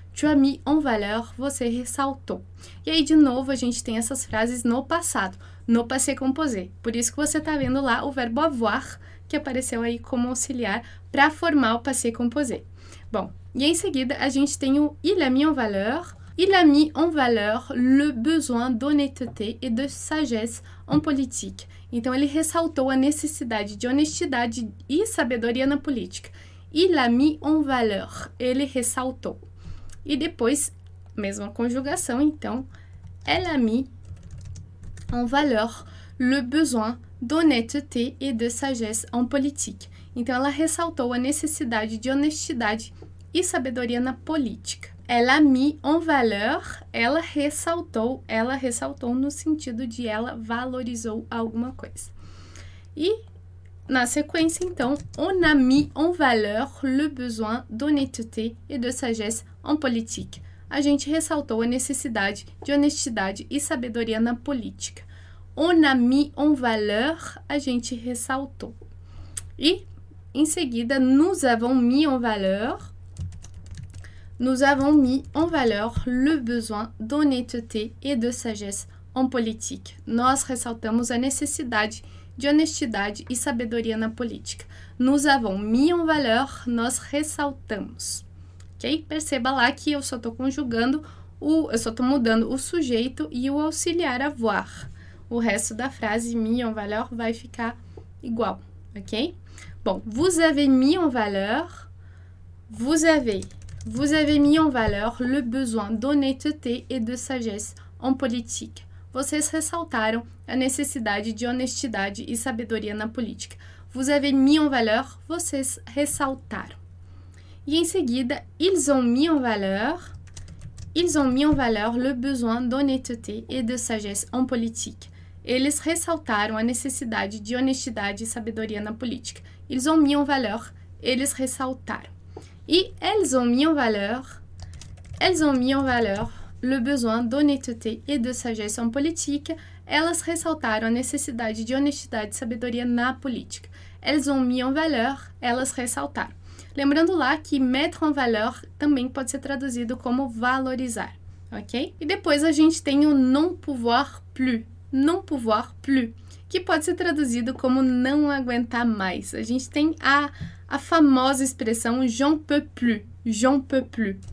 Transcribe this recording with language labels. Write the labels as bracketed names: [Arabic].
[French] Tu as mis en valeur, [Portuguese] você ressaltou. E aí, de novo, a gente tem essas frases no passado, no passé composé. Por isso que você está vendo lá o verbo avoir, que apareceu aí como auxiliar para formar o passé composé. Bom, e em seguida, a gente tem o [French] il a mis en valeur. Il a mis en valeur le besoin d'honnêteté et de sagesse en politique. [Portuguese] Então, ele ressaltou a necessidade de honestidade e sabedoria na política. [French] Il a mis en valeur. [Portuguese] Ele ressaltou. E depois, mesma conjugação, então. [French] Elle a mis en valeur le besoin d'honnêteté et de sagesse en politique. [Portuguese] Então, ela ressaltou a necessidade de honestidade e sabedoria na política. [French] Elle a mis en valeur, [Portuguese] ela ressaltou no sentido de ela valorizou alguma coisa. E na sequência, então, [French] on a mis en valeur le besoin d'honnêteté et de sagesse en politique. [Portuguese] A gente ressaltou a necessidade de honestidade e sabedoria na política. [French] On a mis en valeur, [Portuguese] a gente ressaltou. E em seguida, [French] nous avons mis en valeur. Nous avons mis en valeur le besoin d'honnêteté et de sagesse en politique. [Portuguese] Nós ressaltamos a necessidade de honestidade e sabedoria na política. [French] Nous avons mis en valeur, [Portuguese] nós ressaltamos. Ok? Perceba lá que eu só estou conjugando, eu só estou mudando o sujeito e o auxiliar avoir. O resto da frase [French] mis en valeur [Portuguese] vai ficar igual, ok? [French] Bom, vous avez mis en valeur, Vous avez mis en valeur le besoin d'honnêteté et de sagesse en politique. [Portuguese] Vocês ressaltaram a necessidade de honestidade e sabedoria na política. [French] Vous avez mis en valeur, [Portuguese] vocês ressaltaram. E em seguida, [French] ils ont mis en valeur le besoin d'honnêteté et de sagesse en politique. [Portuguese] Eles ressaltaram a necessidade de honestidade e sabedoria na política. [French] Ils ont mis en valeur, [Portuguese] eles ressaltaram. [French] E elles ont mis en valeur le besoin d'honnêteté et de sagesse en politique. [Portuguese] Elas ressaltaram a necessidade de honestidade e sabedoria na política. [French] Elles ont mis en valeur, [Portuguese] elas ressaltaram. Lembrando lá que [French] mettre en valeur [Portuguese] também pode ser traduzido como valorizar, ok? E depois a gente tem o [French] non pouvoir plus, [Portuguese] que pode ser traduzido como não aguentar mais. A gente tem a famosa expressão [French] j'en peux plus, j'en peux plus.